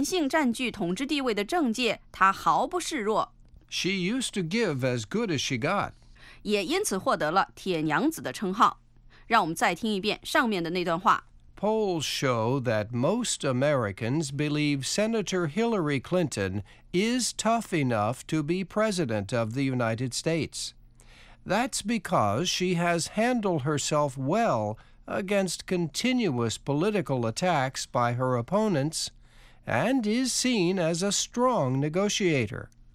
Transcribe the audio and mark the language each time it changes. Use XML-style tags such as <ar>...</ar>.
<zh>但是美国人要加入女性元首的行列，恐怕时机尚未成熟。大家恐怕还记得，早在上个世纪八十年代，英国就出现了女首相撒切尔夫人，在男性占据统治地位的政界，她毫不示弱。</zh> <en>She used to give as good as she got.</en> <zh>也因此获得了铁娘子的称号。让我们再听一遍上面的那段话。</zh> <en>Polls show that most Americans believe Senator Hillary Clinton is tough enough to be president of the United States. That's because she has handled herself well against continuous political attacks by her opponents and is seen as a strong negotiator.</en>